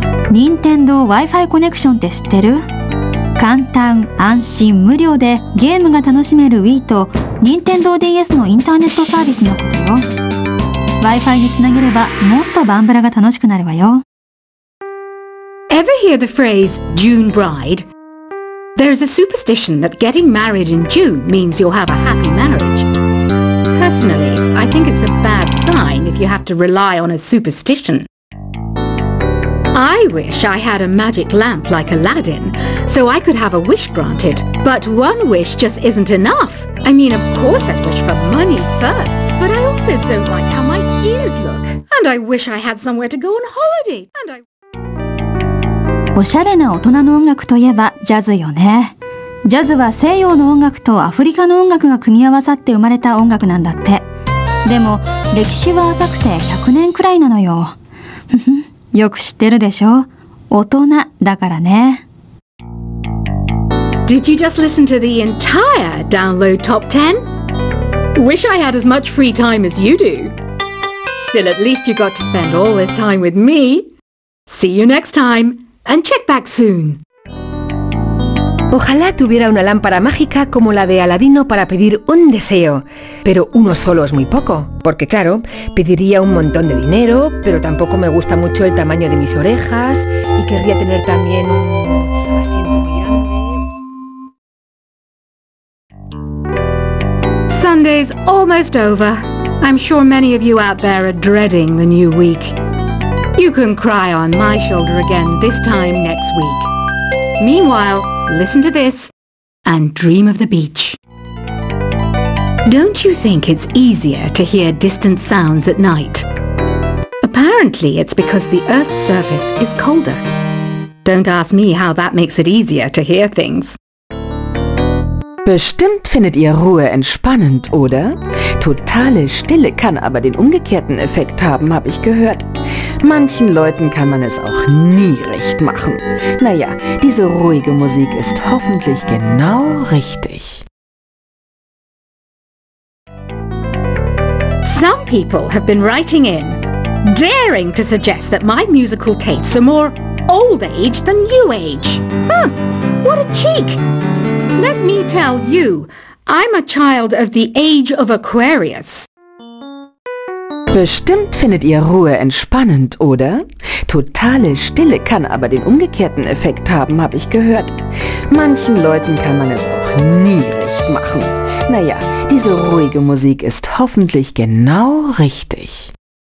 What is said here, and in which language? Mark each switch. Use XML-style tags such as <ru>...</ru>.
<ja>任天堂 Wi-Fi コネクションって知ってる？簡単、安心、無料でゲームが楽しめる Wii と任天堂 DS のインターネットサービスのことよ。 Wi-Fi につなげればもっとバンブラが楽しくなるわよ。</ja> <en>Ever hear the phrase June Bride? There is a superstition that getting married in June means you'll have a happy marriage. Personally, I think it's a bad sign if you have to rely on a superstition. I wish I had a magic lamp like Aladdin, so I could have a wish granted. But one wish just isn't enough. I mean, of course I wish for money first, but I also don't like how my ears look. And I wish I had somewhere to go on holiday. And I...</en> <ja>おしゃれな大人の音楽といえばジャズよね。ジャズは西洋の音楽とアフリカの音楽が組み合わさって生まれた音楽なんだって。でも歴史は浅くて100年くらいなのよ。よく知ってるでしょ。大人だからね。</ja> <en>Did you just listen to the entire download top 10? Wish I had as much free time as you do. Still, at least you got to spend all this time with me. See you next time and check back soon.</en> <es>Ojalá tuviera una lámpara mágica como la de Aladino para pedir un deseo. Pero uno solo es muy poco, porque claro, pediría un montón de dinero, pero tampoco me gusta mucho el tamaño de mis orejas y querría tener también un asiento</es> <en>grande. Sunday's almost over. I'm sure many of you out there are dreading the new week. You can cry on my shoulder again this time next week. Meanwhile,Listen to this and dream of the beach. Don't you think it's easier to hear distant sounds at night? Apparently, it's because the Earth's surface is colder. Don't ask me how that makes it easier to hear things.</en> <de>Bestimmt findet ihr Ruhe entspannend, oder? Totale Stille kann aber den umgekehrten Effekt haben, habe ich gehört. Manchen Leuten kann man es auch nie recht machen. Naja, diese ruhige Musik ist hoffentlich genau richtig.</de> <en>Some people have been writing in, daring to suggest that my musical tastes are more old age than new age. Huh, what a cheek! Let me tell you, I'm a child of the age of Aquarius.</en> <de>Bestimmt findet ihr Ruhe entspannend, oder? Totale Stille kann aber den umgekehrten Effekt haben, habe ich gehört. Manchen Leuten kann man es auch nie recht machen. Naja, diese ruhige Musik ist hoffentlich genau richtig.</de>